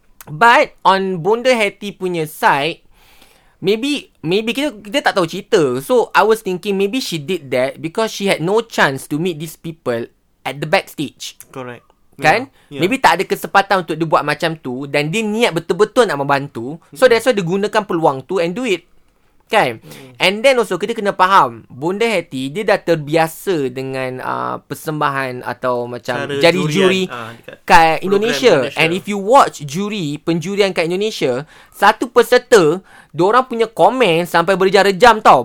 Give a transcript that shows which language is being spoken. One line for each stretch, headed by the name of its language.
English: But on
Malay: Bonda Hati punya side, maybe kita tak tahu cerita.
English: So I was thinking maybe she did that because she had no chance to meet these people at the backstage. Correct.
Malay: Kan?
English: Yeah. Yeah.
Malay: Maybe tak ada kesempatan untuk dia buat macam tu dan dia niat betul-betul nak membantu.
English: So that's why
Malay: dia gunakan peluang tu
English: and do it.
Malay: Kan?
English: And then also
Malay: kita kena faham, Bonda Hati dia dah terbiasa dengan persembahan atau macam cara jadi juri kat Indonesia.
English: And if you watch
Malay: juri, penjurian kat Indonesia, satu peserta, diorang punya komen sampai berjara jam tau.